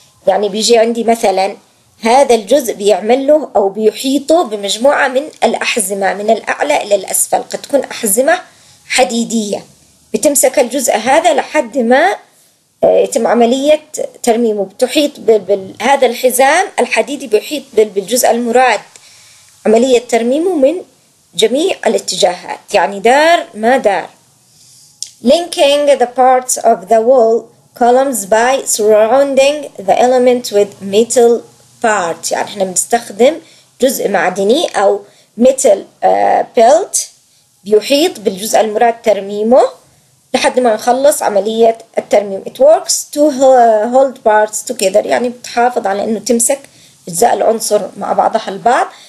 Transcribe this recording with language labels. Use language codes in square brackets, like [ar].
[ar] يعني بيجي عندي مثلا هذا الجزء بيعمل له او بيحيطه بمجموعه من الاحزمه من الاعلى الى الاسفل، قد تكون احزمه حديديه بتمسك الجزء هذا لحد ما يتم عمليه ترميمه، بتحيط بهذا الحزام الحديدي بيحيط بالجزء المراد عملية ترميمه من جميع الاتجاهات، يعني دار ما دار. [en] Linking the parts of the wall columns by surrounding the element with metal part. [ar] يعني احنا بنستخدم جزء معدني أو [en] metal belt [ar] بيحيط بالجزء المراد ترميمه لحد ما نخلص عملية الترميم. [en] It works to hold parts together. [ar] يعني بتحافظ على أنه تمسك أجزاء العنصر مع بعضها البعض.